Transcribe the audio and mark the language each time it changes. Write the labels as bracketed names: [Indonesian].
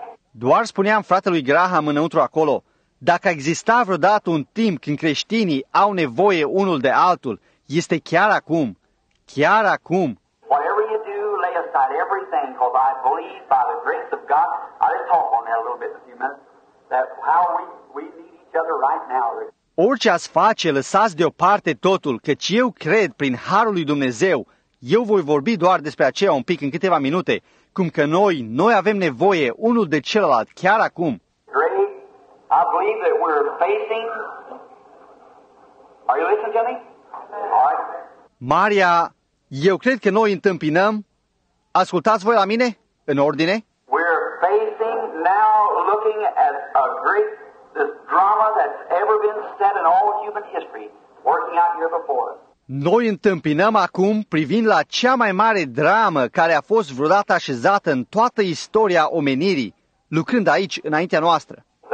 [Romanian] Doar spuneam fratelui Graham înăuntru acolo, dacă exista vreodată un timp când creștinii au nevoie unul de altul, este chiar acum. Chiar acum. [English] Whatever you do, lay aside everything, because I believe by the grace of God, I'll just talk on that a little bit in a few minutes, that how we need each other right now. [Romanian] Orice ați face, lăsați deoparte totul, căci eu cred prin harul lui Dumnezeu, eu voi vorbi doar despre aceea un pic în câteva minute, cum că noi avem nevoie unul de celălalt chiar acum. [English] I believe that we're facing. Are you listening to me? All right. [Romanian] Maria, eu cred că noi întâmpinăm. Ascultați voi la mine? În ordine? [English] We're facing now looking at a great this drama that's ever been set in all human history working out here before. [Romanian] Noi întâmpinăm acum privind la cea mai mare dramă care a fost vreodată așezată în toată istoria omenirii, lucrând aici înaintea noastră.